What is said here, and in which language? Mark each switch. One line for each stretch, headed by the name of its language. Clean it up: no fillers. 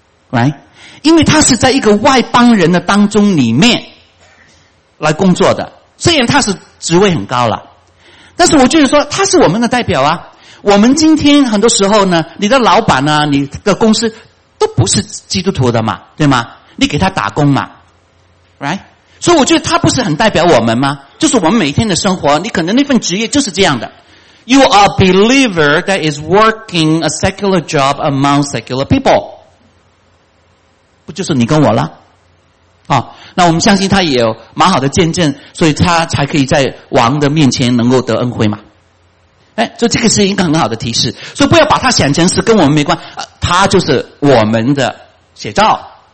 Chinese: 来，因为他是在一个外邦人的当中里面来工作的，虽然他是职位很高了，但是我就是说他是我们的代表啊。我们今天很多时候呢，你的老板啊，你的公司都不是基督徒的嘛，对吗？你给他打工嘛，
English: right？
Chinese: 所以我觉得他不是很代表我们吗？就是我们每天的生活，你可能那份职业就是这样的。
English: You are a believer that is working a secular job among secular people。
Chinese: 不就是你跟我了？那我们相信他也有蛮好的见证，所以他才可以在王的面前能够得恩惠嘛。所以这个是一个很好的提示，所以不要把他想成是跟我们没关，他就是我们的写照。